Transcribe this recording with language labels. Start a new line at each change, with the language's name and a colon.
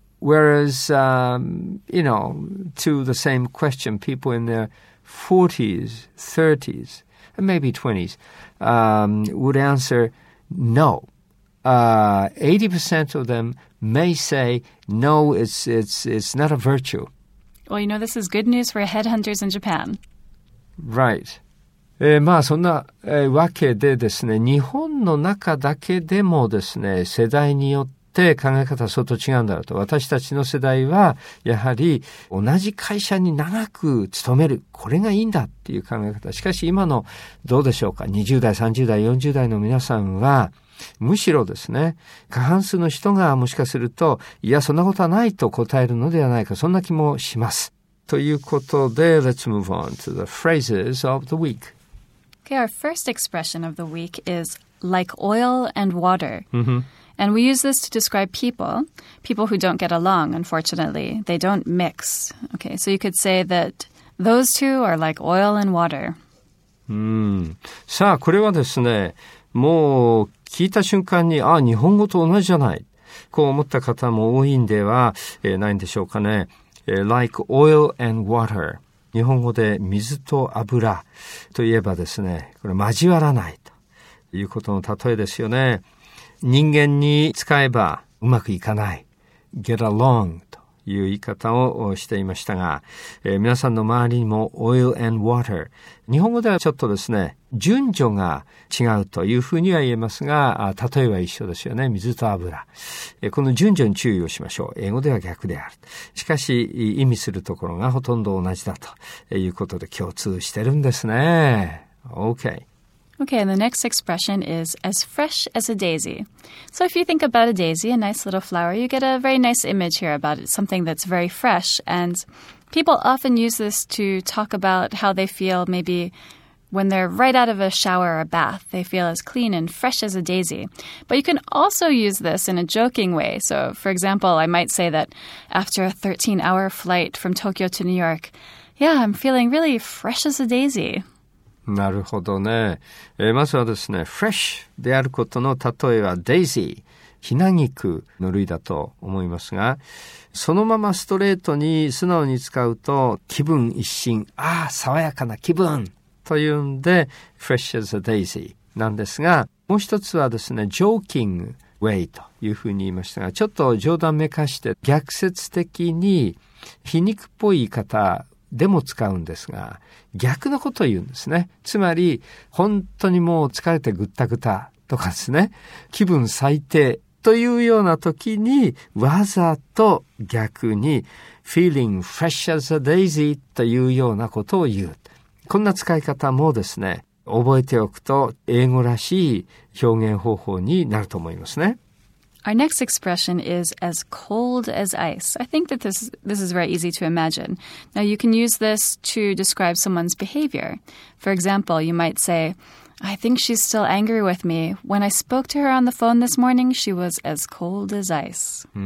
English: Whereas, you know, to the same question, people in their 40s, 30s, and maybe 20s would answer no. 80% of them may say, no, it's not a virtue. Well, you know, this is good news for headhunters in Japan. Right.
Japanese: まあ、そんなわけでですね、日本の中だけでもですね、世代によって考え方は相当違うんだろうと。私たちの世代は、やはり同じ会社に長く勤める。これがいいんだっていう考え方。しかし今のどうでしょうか。 20代、30代、40代の皆さんは、むしろですね、過半数の人がもしかすると、いや、そんなことはないと答えるのではないか、そんな気もします。ということで、
English: let's move on to the phrases of the week. Okay, our first expression of the week is like oil and water.、 Mm-hmm. And we use this to describe people, people who don't get along, unfortunately. They don't mix. Okay, so you could say that those two are like oil and water.、 Mm.
Japanese: さあ、これはですね、もう聞いた瞬間に、あ、日本語と同じじゃない。こう思った方も多いんでは、ないんでしょうかね。
English: Like oil and water.
Japanese: 日本語で水と油といえばですね、これ交わらないということの例えですよね。人間に使えばうまくいかない。
English: Get along
Japanese: という言い方をしていましたが、皆さんの周りにも
English: oil and water。
Japanese: 日本語ではちょっとですね、順序が違うというふうには言えますが、例えは一緒ですよね。水と油。この順序に注意をしましょう。英語では逆である。しかし、意味するところがほとんど同じだということで共通してるんですね。
English: Okay. Okay, and the next expression is as fresh as a daisy. So if you think about a daisy, a nice little flower, you get a very nice image here about it, something that's very fresh. And people often use this to talk about how they feel maybe... When they're right out of a shower or a bath, they feel as clean and fresh as a daisy. But you can also use this in a joking way. So, for example, I might say that after a 13-hour flight from Tokyo to New York, yeah, I'm feeling really fresh as a daisy.
Japanese: なるほどね。まずはですね、fresh であることの例えは daisy、ひなぎくの類だと思いますが、そのままストレートに素直に使うと気分一新、ああ、爽やかな気分。というんで
English: fresh as a daisy
Japanese: なんですが、もう一つはですね
English: joking way
Japanese: というふうに言いましたが、ちょっと冗談めかして逆説的に皮肉っぽい言い方でも使うんですが、逆のことを言うんですね。つまり本当にもう疲れてぐったぐたとかですね、気分最低というような時にわざと逆に
English: feeling fresh as a daisy
Japanese: というようなことを言う。こんな使い方もですね、覚えておくと英語らしい表現方法になると思いますね。
English: Our next expression is as cold as ice. I think that this is very easy to imagine. Now you can use this to describe someone's behavior. For example, you might say, I think she's still angry with me. When I spoke to her on the phone this morning, she was as cold as ice.